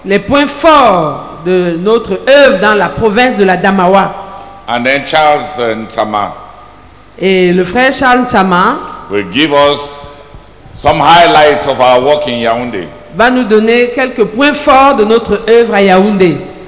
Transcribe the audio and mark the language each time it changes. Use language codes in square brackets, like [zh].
[fr] Les points forts de notre œuvre dans la province de la Adamawa. [en] And then Charles Ntama. [fr] Et le frère Charles Ntama [en] will give us some highlights of our work in Yaoundé. [fr] Va nous donner quelques points forts de notre œuvre à Yaoundé.